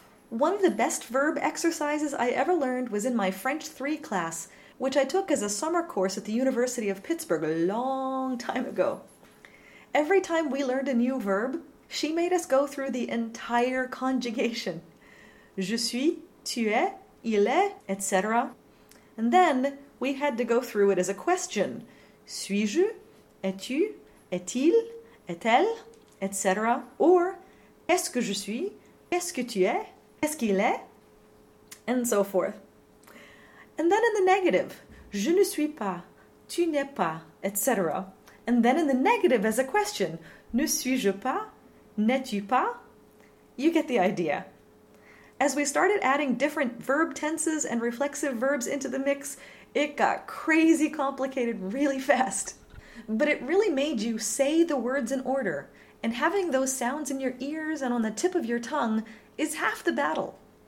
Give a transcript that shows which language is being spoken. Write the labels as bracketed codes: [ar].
[en] One of the best verb exercises I ever learned was in my French 3 class, which I took as a summer course at the University of Pittsburgh a long time ago. Every time we learned a new verb, she made us go through the entire conjugation. [fr] Je suis, tu es, il est, etc. [en] And then we had to go through it as a question. [fr] Suis-je, es-tu, est-il, est-elle, etc. Or, est-ce que je suis, est-ce que tu es, est-ce qu'il est, and so forth. [en] And then in the negative, [fr] je ne suis pas, tu n'es pas, etc. [en] And then in the negative as a question, [fr] ne suis-je pas, n'es-tu pas? [en] You get the idea. As we started adding different verb tenses and reflexive verbs into the mix, it got crazy complicated really fast. But it really made you say the words in order, and having those sounds in your ears and on the tip of your tongue is half the battle.